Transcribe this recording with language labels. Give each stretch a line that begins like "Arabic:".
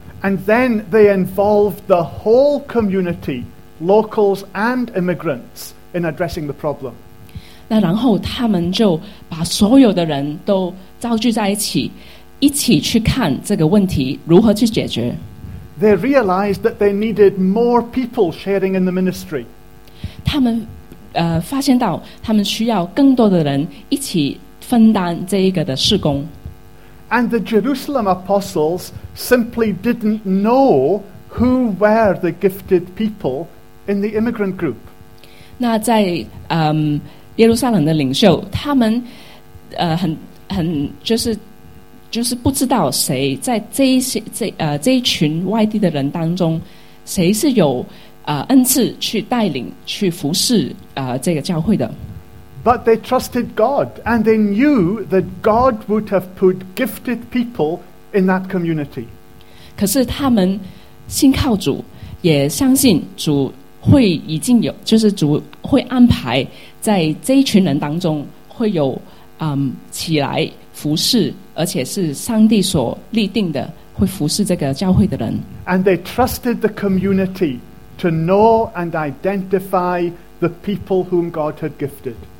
English: And then they involved the whole community, locals and immigrants, in addressing the problem.
Chinese: 那然后他们就把所有的人都召聚在一起，一起去看这个问题如何去解决。
English: They realized that they needed more people sharing in the ministry.
Chinese: 他们发现到他们需要更多的人一起分担这一个的事工。
English: And the Jerusalem apostles simply didn't know who were the gifted people in the immigrant group.
Chinese: 那在耶路撒冷的领袖，他们很就是不知道谁在这一群外地的人当中，谁是有恩赐去带领去服侍这个教会的。
English: But they trusted God, and they knew that God would have put gifted people in that community.
Chinese: 可是他们信靠主, 也相信主, 会已经有, 起来服侍,
English: and they trusted the community to know and identify the people whom God had gifted.